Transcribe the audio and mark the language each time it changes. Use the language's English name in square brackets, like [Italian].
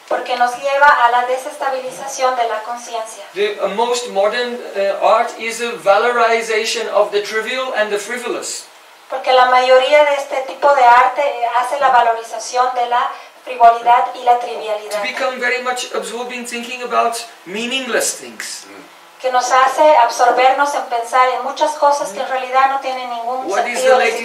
[Spanish] Porque nos lleva a la desestabilización de la conciencia. [English] The most modern art is a valorization of the trivial and the frivolous. [Spanish] Porque la mayoría de este tipo de arte hace la valorización de la frivolidad y la trivialidad. [English] To become very much absorbed in thinking about meaningless things. [Spanish] Que nos hace absorbernos en pensar en muchas cosas que en realidad no tienen ningún sentido.